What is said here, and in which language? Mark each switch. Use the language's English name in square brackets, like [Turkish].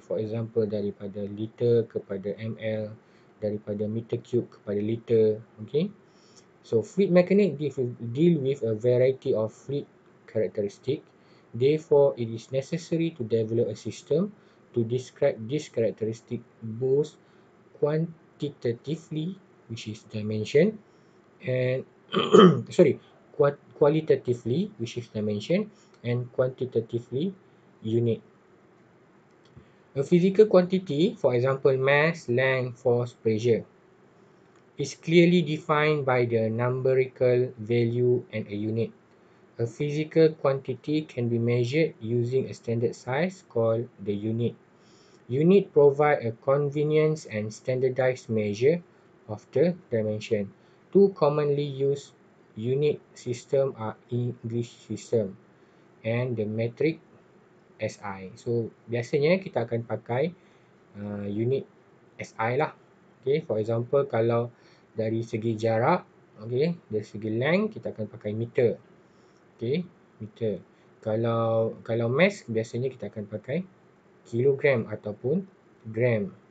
[English] For example, [Malay] daripada liter kepada ml, daripada meter cube kepada liter. [English] Okay. So, fluid mechanics deal with a variety of fluid characteristic. Therefore, it is necessary to develop a system to describe this characteristic both quantitatively, which is dimension, and qualitatively, which is dimension, and quantitatively, unit. A physical quantity, for example, mass, length, force, pressure, is clearly defined by the numerical value and a unit. A physical quantity can be measured using a standard size called the unit. Unit provide a convenience and standardized measure of the dimension. Two commonly used unit system are English system and the metric SI. [Malay] So, biasanya kita akan pakai unit SI lah. Okay, [English] for example, [Malay] kalau dari segi jarak, okay, dari segi length, kita akan pakai meter. Okay, meter. Kalau mass, biasanya kita akan pakai kilogram ataupun gram.